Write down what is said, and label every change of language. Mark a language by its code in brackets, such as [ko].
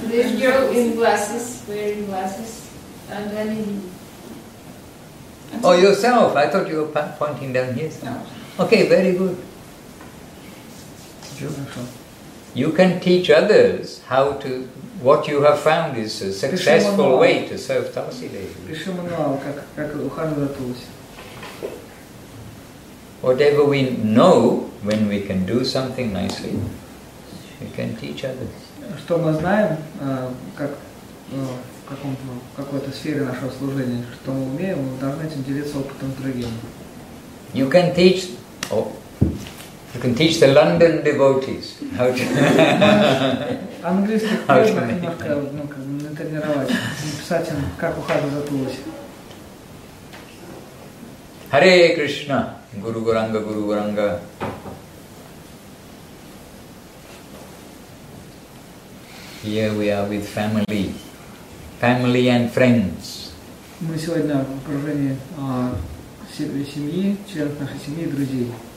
[en] This girl in glasses, wearing glasses, and then in... Oh, yourself? I thought you were pointing down here. No. Okay, very good. You can teach others how to... What you have found is a successful way to serve Tulsi Devi. [ru] Пиши мануал, как ухаживать за Тулси. [en] Whatever we know, when we can do something nicely, we can teach others. [ru] Что мы знаем, как в каком-то какой-то сфере нашего служения, что мы умеем, мы должны этим делиться опытом с другими. [en] You can teach. Oh. You can teach the London devotees how to. [ru] Английских преданных немножко, натренировать, написать им, как ухаживать за Тулси. [en] Hare Krishna, Guru Gauranga, Guru Gauranga. here we are with family, family and friends. [ru] Мы сегодня в окружении семьи, членов нашей семьи, друзей.